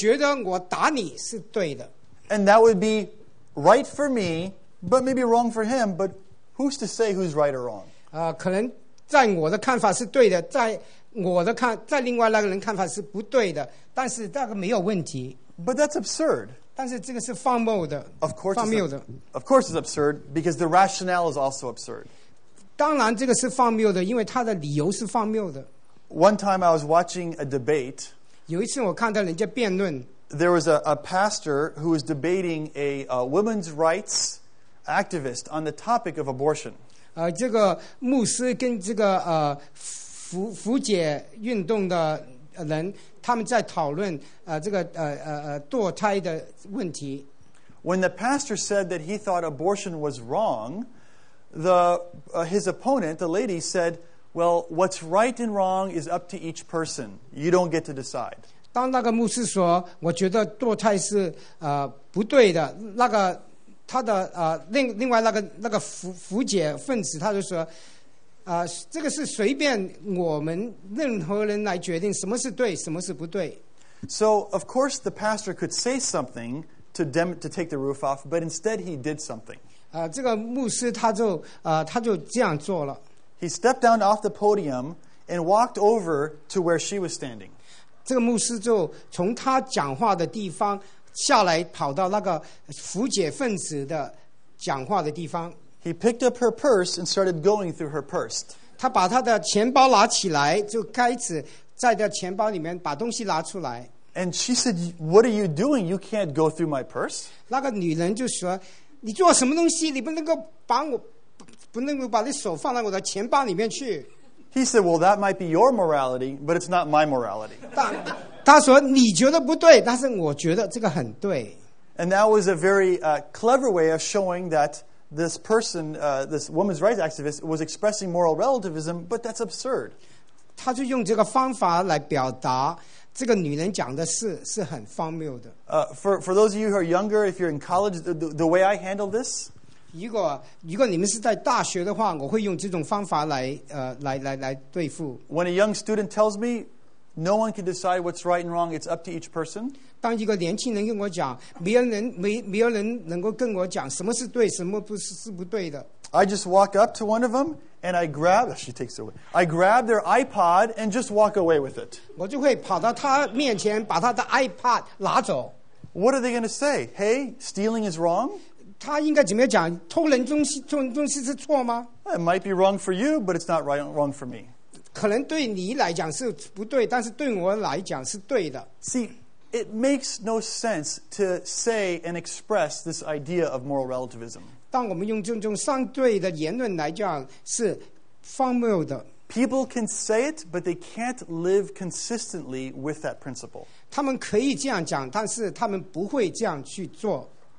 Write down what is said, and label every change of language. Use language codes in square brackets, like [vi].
[en] And that would be right for me, but maybe wrong for him, but who's to say who's right or wrong? [zh] 可能在我的看法是对的，在另外那个人看法是不对的，但是那个没有问题。 [en] But that's absurd. [zh] 但是这个是荒谬的, [en] Of course it's absurd, because the rationale is also absurd. [zh] 当然这个是荒谬的，因为它的理由是荒谬的。 [en] One time I was watching a debate. [zh] 有一次我看到人家辩论。 [en] There was a pastor who was debating a women's rights activist on the topic of abortion. [zh] 这个牧师跟这个妇解运动的人他们在讨论这个堕胎的问题。 [en] When the pastor said that he thought abortion was wrong, his opponent, the lady, said, "Well, what's right and wrong is up to each person. You don't get to decide." [zh] 当那个牧师说，我觉得堕胎是不对的。那个他的另外那个妇解分子，他就说。这个是随便我们任何人来决定什么是对，什么是不对。 [en] So, of course, the pastor could say something to take the roof off, but instead he did something. [zh] 这个牧师他就这样做了。 [en] He stepped down off the podium and walked over to where she was standing. [zh] 这个牧师就从他讲话的地方下来，跑到那个妇解分子的讲话的地方。 [en] He picked up her purse and started going through her purse. [zh] 他把他的钱包拿起来，就开始在他钱包里面把东西拿出来。 [en] And she said, "What are you doing? You can't go through my purse." [zh] 那个女人就说，你做什么东西？你不能够把我，不能够把你手放在我的钱包里面去。 [en] He said, "Well, that might be your morality, but it's not my morality." [zh] 他说，你觉得不对，但是我觉得这个很对。 [en] And that was a very clever way of showing that. This person, this woman's rights activist, was expressing moral relativism, but that's absurd. [zh] 他就用这个方法来表达这个女人讲的是很荒谬的。 [en] For those of you who are younger, if you're in college, the way I handle this, [zh] 如果你们是在大学的话，我会用这种方法来对付。 [en] When a young student tells me, no one can decide what's right and wrong; it's up to each person. [zh] 当一个年轻人跟我讲，没有人能够跟我讲什么是对，什么不是不对的。 [en] I just walk up to one of them And I grab, she takes it away. I grab their iPod and just walk away with it. [zh] 我就会跑到他面前把他的 iPod 拿走。 [en] What are they going to say? Hey, stealing is wrong? [zh] 他应该怎么讲？偷人东西是错吗？ [en] It might be wrong for you, but it's not wrong for me. [zh] 可能对你来讲是不对，但是对我来讲是对的。 [en] See, it makes no sense to say and express this idea of moral relativism. [zh] 当我们用这种相对的言论来讲是荒谬的。 [en] People can say it, but they can't live consistently with that principle. [zh] 他们可以这样讲，但是他们不会这样去做。